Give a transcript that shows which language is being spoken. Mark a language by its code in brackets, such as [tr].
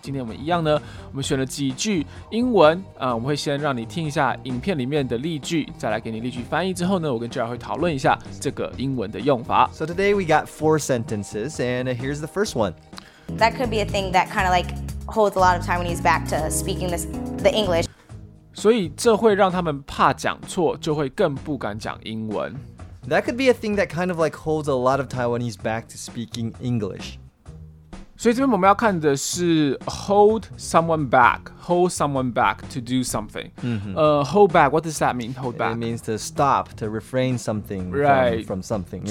[zh] 今天我们一样呢，我们选了几句英文，我们会先让你听一下影片里面的例句，再来给你例句翻译之后呢，我跟 JR 会讨论一下这个英文的用法。 [en] So today we got four sentences, and here's the first one. That could be a thing that kind of like holds a lot of time when he's back to speaking the English. [zh] 所以这会让他们怕讲错，就会更不敢讲英文。 [en] That could be a thing that kind of like holds a lot of Taiwanese back to speaking English. [zh] 所以这边我们要看的是 [en] hold someone back to do something. Hold back, what does that mean? Hold back. It means to stop, to refrain something right. from something. Yeah.